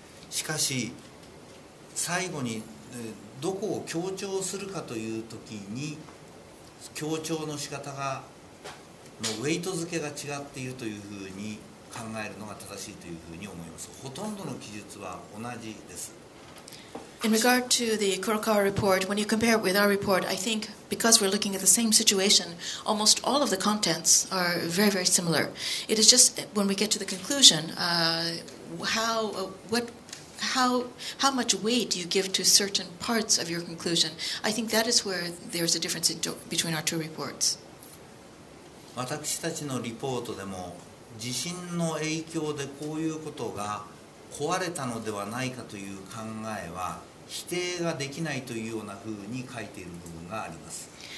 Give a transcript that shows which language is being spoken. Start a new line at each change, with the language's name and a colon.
Japanese: しかし最後にどこを強調するかというときに強調の仕方がのウェイト付けが違っているというふうに考えるのが正しいというふうに思います。ほとんどの記述は同じです。
English: In regard to the Kurokawa report, when you compare it with our report, I think because we're looking at the same situation, almost all of the contents are very, very similar. It is just when we get to the conclusion, how much weight do you give to certain parts of your conclusion? I think that is where there is a difference between our two reports.
Japanese: 私たちのリポートでも地震の影響でこういうことが壊れたのではないかという考えは否定ができないというようなふうに書いている部分があります。